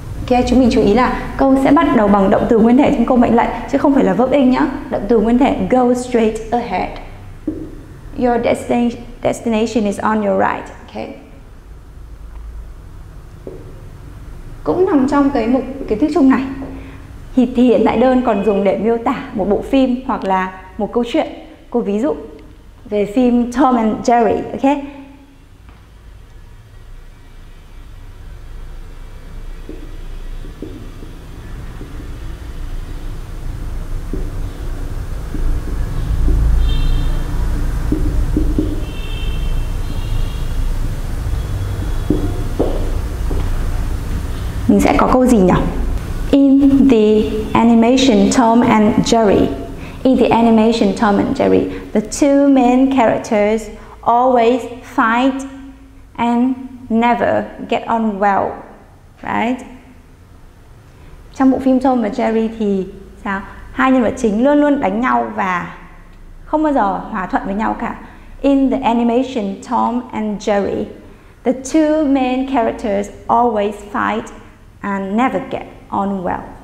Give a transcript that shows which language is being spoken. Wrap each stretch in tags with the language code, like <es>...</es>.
<vi>Ok, chúng mình chú ý là câu sẽ bắt đầu bằng động từ nguyên thể trong câu mệnh lệnh, chứ không phải là verb in nhá. Động từ nguyên thể</vi> <en>go straight ahead. Your destination is on your right. Ok.</en> <vi>Cũng nằm trong cái mục kiến thức chung này. Thì hiện tại đơn còn dùng để miêu tả một bộ phim hoặc là một câu chuyện. Cô ví dụ về phim Tom and Jerry. Ok. Mình sẽ có câu gì nhỉ?</vi> <en>In the animation Tom and Jerry. In the animation Tom and Jerry, the two main characters always fight and never get on well. Right?</en> <vi>Trong bộ phim Tom và Jerry thì sao? Hai nhân vật chính luôn luôn đánh nhau và không bao giờ hòa thuận với nhau cả.</vi> <en>In the animation Tom and Jerry, the two main characters always fight and never get on well.</en>